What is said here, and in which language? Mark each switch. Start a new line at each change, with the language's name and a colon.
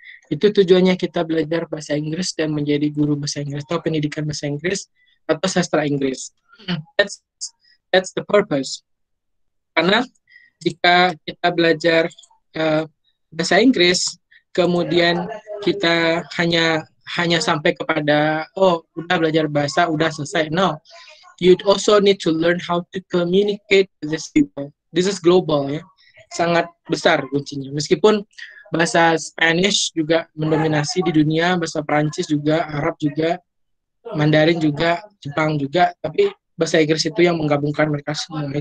Indonesian: Itu tujuannya kita belajar bahasa Inggris dan menjadi guru bahasa Inggris atau pendidikan bahasa Inggris atau sastra Inggris.
English: That's the purpose.
Indonesian: Karena jika kita belajar bahasa Inggris, kemudian kita hanya sampai kepada, oh, udah belajar bahasa, udah selesai.
English: No, you'd also need to learn how to communicate with these people. This is global,
Indonesian: ya. Sangat besar kuncinya. Meskipun bahasa Spanish juga mendominasi di dunia, bahasa Perancis juga, Arab juga, Mandarin juga, Jepang juga, tapi bahasa Inggris itu yang menggabungkan mereka semua.